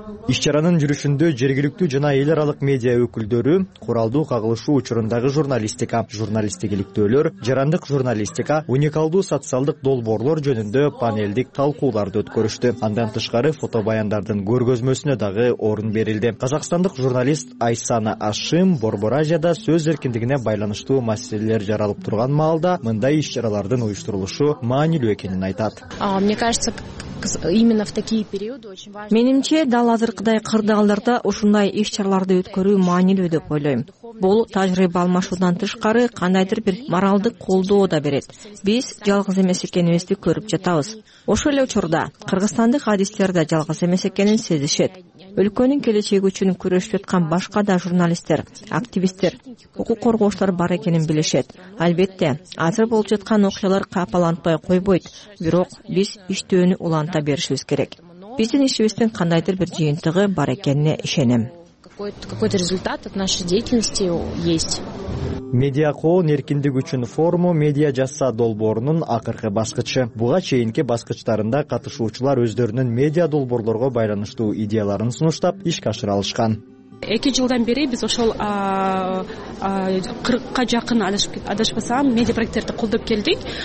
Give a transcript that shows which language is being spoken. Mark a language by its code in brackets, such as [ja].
[ky] Иш чаранын жүрүшүндө жергиликтүү жана эл аралык медиа өкүлдөрү, куралдуу кагылышуу учурундагы журналистика, журналисттик иликтөөлөр, жарандык журналистика, уникалдуу социалдык долбоорлор жөнүндө панелдик талкууларды өткөрүштү. Андан тышкары фотобаяндардын көргөзмөсүнө дагы орун берилди. Казакстандык журналист Айсана Ашым Борбор Азияда сөз эркиндигине байланыштуу маселелер жаралып турган маалда мындай иш чаралардын уюштурулушу маанилүү экенин айтат. [ru] Мне кажется, именно в такие периоды очень важно. [ky] Менимче дал азыркыдай кырдаалдарда ушундай иш чараларды өткөрүү маанилүү деп ойлойм. Бул тажрыйба алмашуудан тышкары кандайдыр бир моралдык колдоо да берет. Биз жалгыз эмес экенибизди көрүп жатабыз. Ошол эле учурда кыргызстандык адистер да жалгыз эмес экенин сезишет. Өлкөнүн келечеги үчүн күрөшүп жаткан башка да журналисттер, активисттер, укук коргоочулар бар экенин билишет. Албетте, азыр болуп жаткан окуялар капалантпай койбойт, бирок биз иштөөнү уланта беришибиз керек. Биздин ишибиздин кандайдыр бир жыйынтыгы бар экенине ишенем. [ru] Какой-то результат от нашей деятельности есть. [ky] Медиа коон эркиндиги үчүн форуму медиа жаса долбоорунун акыркы баскычы. Буга чейинки баскычтарында катышуучулар өздөрүнүн медиа долбоорлорго байланыштуу идеяларын сунуштап ишке ашыра алышкан. 2 жылдан бери биз ошол 40ка жакын адашпасам медиа проекттерди колдоп келдик.